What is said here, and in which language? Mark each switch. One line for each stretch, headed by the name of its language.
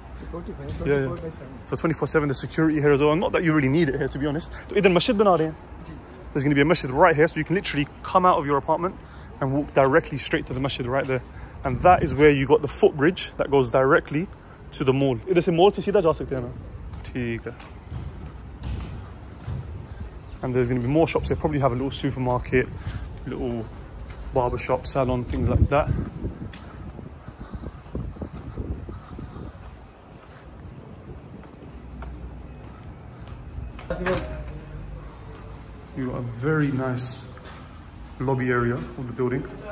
English: Security, yeah. So 24/7, the security here as well. Not that you really need it here, to be honest. So
Urdu: idhan masjid bana rahe hain.
English: There's going to be a masjid right here, so you can literally come out of your apartment and walk directly straight to the masjid right there. And that is where you got the footbridge that goes directly to the mall. Is there a mall to see that?
Urdu: جا سکتے ہیں نا؟ ٹھیک ہے۔
English: And there's going to be more shops. They probably have a little supermarket, little barbershop, salon, things like that. So you've got a very nice lobby area of the building.